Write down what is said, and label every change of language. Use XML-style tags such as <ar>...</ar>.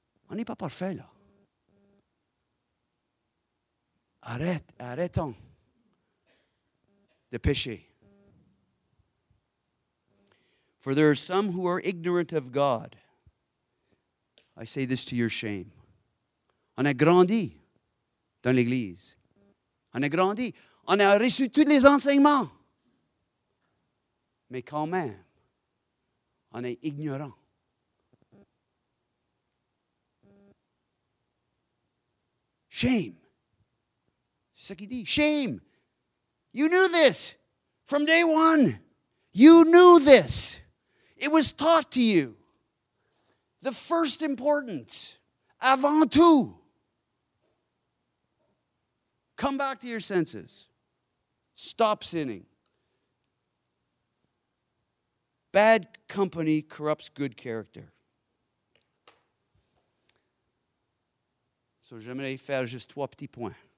<fr>On n'est pas parfait là. Arrêtons de pécher.</fr> <en>For there are some who are ignorant of God. I say this to your shame.</en> <fr>On a grandi dans l'église. On a grandi. On a reçu tous les enseignements. Mais quand même, on est ignorant. Shame. C'est ce qu'il dit. Shame.</fr> <en>You knew this from day one. You knew this. It was taught to you. The first importance,</en> <fr>avant tout.</fr> <en>Come back to your senses. Stop sinning. Bad company corrupts good character.</en> <fr>So, j'aimerais faire juste trois petits points.</fr>